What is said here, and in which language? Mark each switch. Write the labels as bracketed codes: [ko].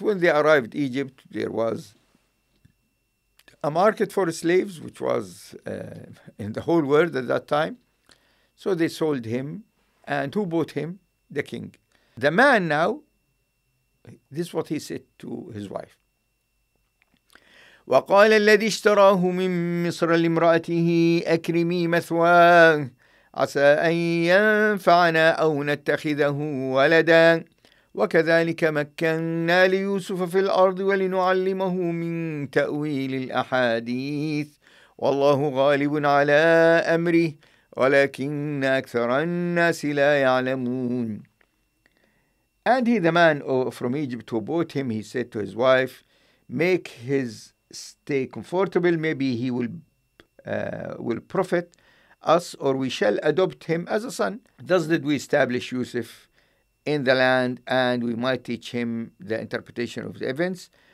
[en] When they arrived in Egypt, there was a market for slaves, which was in the whole world at that time. So they sold him, and who bought him? The king. The man now. This is what he said to his wife. [ar] وقال الذي اشتراه من مصر لامرأته أكرمي مثواه عسى أن ينفعنا أو نتخذه ولدا وكذلك مكنا ليوسف في الأرض ولنعلمه من تأويل الأحاديث والله غالب على أمره ولكن أكثر الناس لا يعلمون. [en] And he, the man from Egypt who bought him, he said to his wife, make his stay comfortable, maybe he will profit us, or we shall adopt him as a son. Thus did we establish Yusuf in the land, and we might teach him the interpretation of the events.